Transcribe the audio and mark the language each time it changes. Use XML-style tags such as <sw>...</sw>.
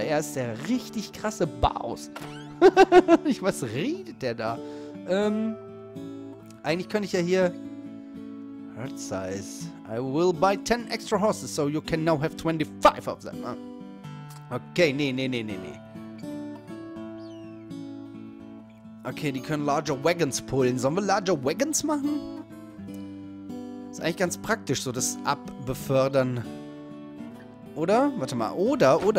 <de>Er ist der richtig krasse Boss. Was redet der da? Eigentlich könnte ich ja hier...</de> <en>Herd size. I will buy 10 extra horses, so you can now have 25 of them.</en> <de>Okay, nee. Okay, die können larger wagons pullen. Sollen wir larger wagons machen? Ist eigentlich ganz praktisch, so das Abbefördern. Oder? Warte mal. Oder?</de>